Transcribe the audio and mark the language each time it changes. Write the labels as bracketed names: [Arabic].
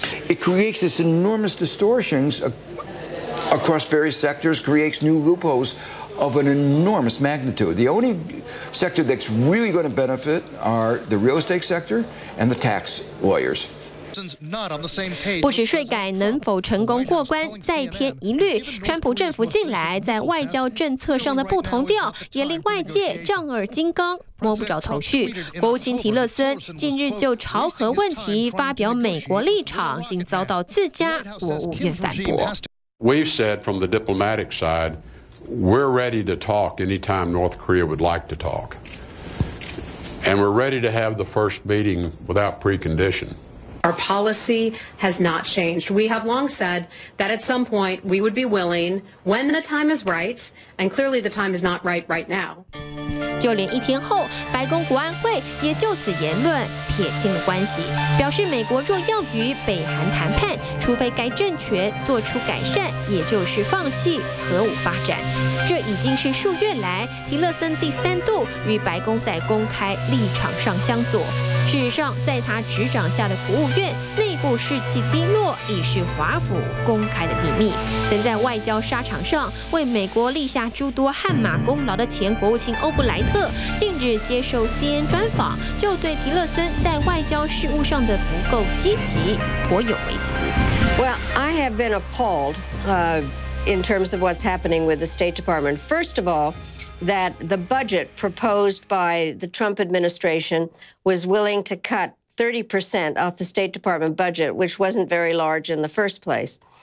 [English] It creates this enormous distortions across various sectors, creates new loopholes of an enormous magnitude. The only sector that's really going to benefit are the real estate sector and the tax lawyers. [Chinese] 不止税改能否成功过关再添疑虑，川普政府近来在外交政策上的不同调也令外界丈二金刚摸不着头绪。国务卿提勒森近日就朝核问题发表美国立场，竟遭到自家国务院反驳。 [English] We've said from the diplomatic side we're ready to talk anytime North Korea would like to talk and we're ready to have the first meeting without precondition. Our policy has not changed. We have long said that at some point we would be willing, when the time is right, and clearly the time is not right right now. [Chinese] 就连一天后，白宫国安会也就此言论撇清了关系，表示美国若要与北韩谈判，除非该政权做出改善，也就是放弃核武发展。这已经是数月来提勒森第三度与白宫在公开立场上相左。事实上，在他执掌下的国务院内部士气低落已是华府公开的秘密。曾在外交沙场上为美国立下诸多汗马功劳的前国务卿欧布莱特近日接受 CNN 专访，就对提勒森在外交事务上的不够积极颇有微词。 [English] Well, I have been appalled, in terms of what's happening with the State Department. First of all,that the budget proposed by the Trump administration was willing to cut 30% off the State Department budget, which wasn't very large in the first place.